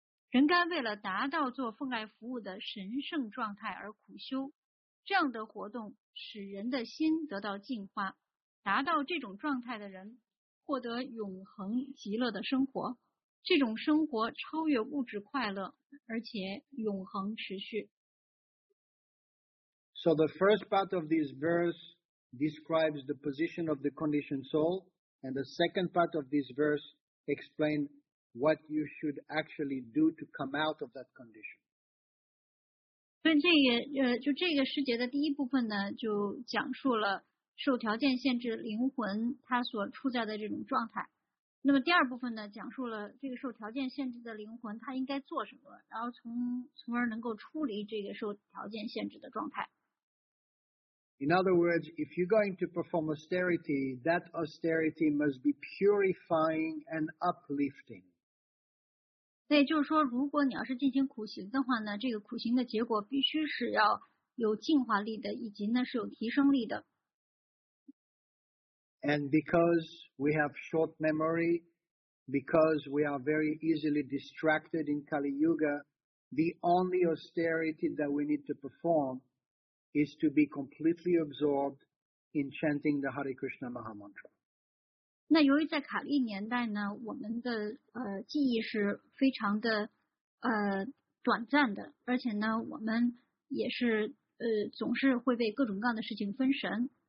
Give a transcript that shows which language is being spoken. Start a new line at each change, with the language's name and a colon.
Chinese: 人该为了达到做奉爱服务的神圣状态而苦修，这样的活动使人的心得到净化，达到这种状态的人获得永恒极乐的生活，这种生活超越物质快乐，而且永恒持续。
English: So the first part of this verse describes the position of the conditioned soul, and the second part of this verse explains what you should actually do to come out of that condition.
Chinese: 所以就这个世界的第一部分呢，就讲述了受条件限制灵魂它所处在的这种状态。那么第二部分呢，讲述了这个受条件限制的灵魂它应该做什么，然后从而能够出离这个受条件限制的状态。
English: In other words, if you're going to perform austerity, that austerity must be purifying and uplifting.
Chinese: 对，就是说，如果你要是进行苦行的话呢，这个苦行的结果必须是要有净化力的，以及呢是有提升力的。
English: And because we have short memory, because we are very easily distracted in Kali Yuga, the only austerity that we need to perform is to be completely absorbed in chanting the Hare Krishna Maha Mantra.
Chinese: 那由于在卡利年代呢，我们的记忆是非常的短暂的，而且呢，我们也是总是会被各种各样的事情分神。